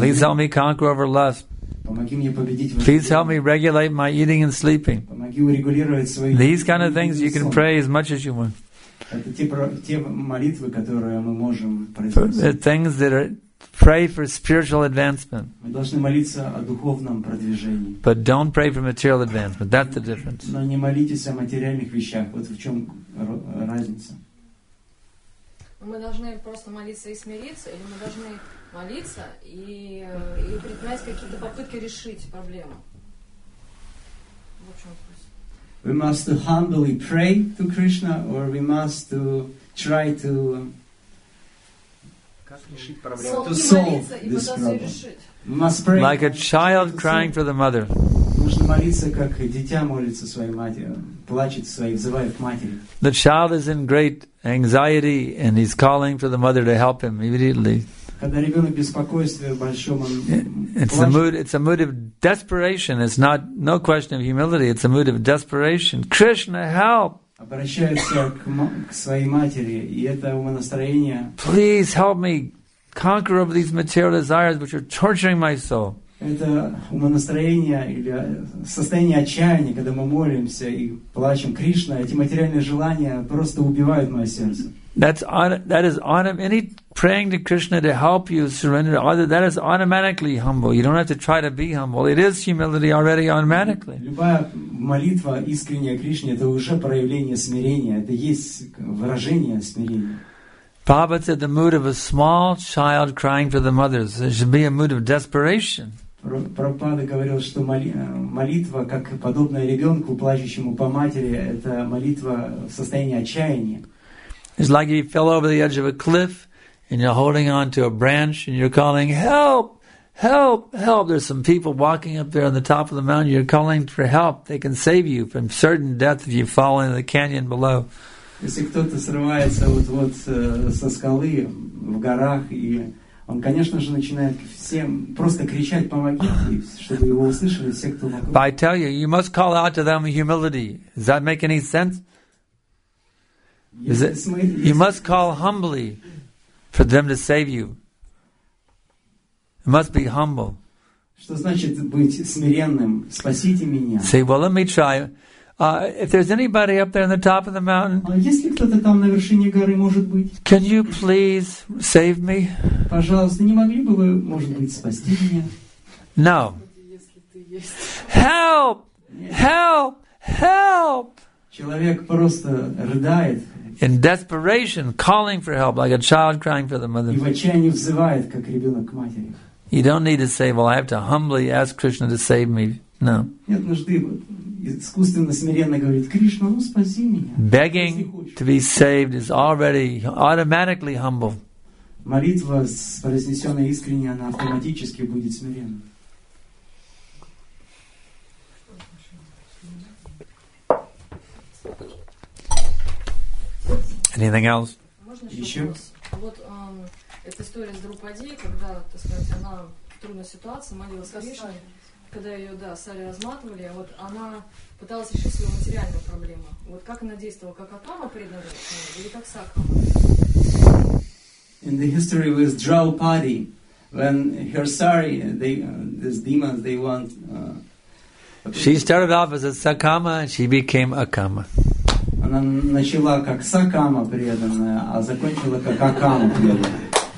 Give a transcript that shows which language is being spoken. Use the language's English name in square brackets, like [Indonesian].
[English] Please help me conquer over lust. [Russian] Помоги мне победить. [English] Please help me regulate my eating and sleeping. [Russian] Помоги урегулировать свои. [English] These kind of things you can pray as much as you want. [Russian] Это те молитвы, которые мы можем произносить. [English] Things that are pray for spiritual advancement. [Russian] Мы должны молиться о духовном продвижении. [English] But don't pray for material advancement. That's the difference. [Russian] Но не молитесь о материальных вещах. Вот в чем разница. Мы должны просто молиться и смириться, или мы должны молиться и предпринимать какие-то попытки решить проблему. В общем, [English] we must humbly pray to Krishna, or we must to try to to solve this problem. We must pray like a child crying for the mother. [Russian] Нужно молиться, как дитя молится своей матери, плачет своей, взывает к матери. [English] The child is in great anxiety, and he's calling for the mother to help him immediately. [Russian] Когда ребенок в беспокойстве большом, он [English] it's [Russian] плачет. [English] It's a mood of desperation. It's not no question of humility. It's a mood of desperation. Krishna, help! [Russian] Обращается к своей матери, и это его настроение. [English] Please help me conquer over these material desires which are torturing my soul. [Russian] Это умонастроение или состояние отчаяния, когда мы молимся и плачем. Кришна, эти материальные желания просто убивают мое сердце. [English] That is any praying to Krishna to help you surrender, that is automatically humble. You don't have to try to be humble. It is humility already automatically. [Russian] Любая молитва искренняя Кришне, это уже проявление смирения. Это есть выражение смирения. [English] Prabhupada said the mood of a small child crying for the mothers. It should be a mood of desperation. [Russian] Прабхупада говорил, что молитва, как подобная ребенку, плачущему по матери, это молитва в состоянии отчаяния. [English] It's like you fell over the edge of a cliff and you're holding on to a branch and you're calling, help, help, help. There's some people walking up there on the top of the mountain. You're calling for help. They can save you from certain death if you fall into the canyon below. [Russian] Если кто-то срывается вот-вот со скалы в горах, и он, конечно же, начинает всем просто кричать, помогите, чтобы его услышали все, кто вокруг. [English] But I tell you, you must call out to them in humility. Does that make any sense? You must call humbly for them to save you. It must be humble. [Russian] Что значит быть смиренным? Спасите меня. [English] Say, well, let me try. If there's anybody up there on the top of the mountain, [Russian] если кто-то там на вершине горы, может быть, [English] can you please save me? [Russian] Пожалуйста, не могли бы вы, может быть, спасти меня? [English] No. Help! Help! Help! [Russian] Человек просто рыдает. [English] In desperation, calling for help, like a child crying for the mother. [Russian] И в отчаянии взывает, как ребенок к матери. [English] You don't need to say, well, I have to humbly ask Krishna to save me. No. [Russian] Нет нужды. Искусственно смиренно говорит, Кришна, ну спаси меня. [English] Begging to be saved is already automatically humble. [Russian] Молитва с произнесенной искренне, она автоматически будет смиренна. [English] Anything else? [Russian] Еще? Вот эта история с Друпади, когда, так сказать, она в трудной ситуации молилась Кришне, когда ее, да, сари разматывали, вот она пыталась решить свою материальную проблему. Вот как она действовала, как Акама преданная или как Сакама? [English] In the history with Draupadi, when her sari, these demons, they want... She started off as a Sakama, she became Akama. [Russian] Она начала как Сакама преданная, а закончила как Акама преданная.